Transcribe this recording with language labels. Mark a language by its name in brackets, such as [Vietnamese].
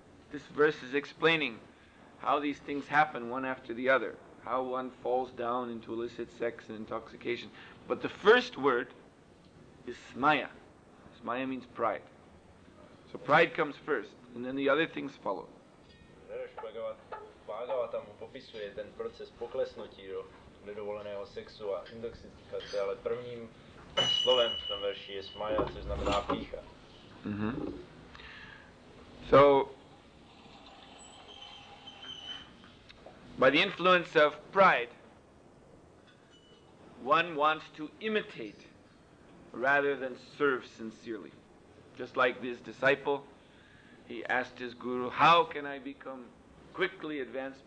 [English] This verse is explaining how these things happen one after the other, how one falls down into illicit sex and intoxication. But the first word is smaya. Smaya means pride. So pride comes first, and then the other things follow. [Czech] Bhagavatam popisuje ten proces poklesnutí do nedovoleného sexu a intoxikace, ale prvním slovem v tom verši je smaya, což znamená pícha. [English] So, by the influence of pride, one wants to imitate rather than serve sincerely. Just like this disciple, he asked his guru, how can I become quickly advanced?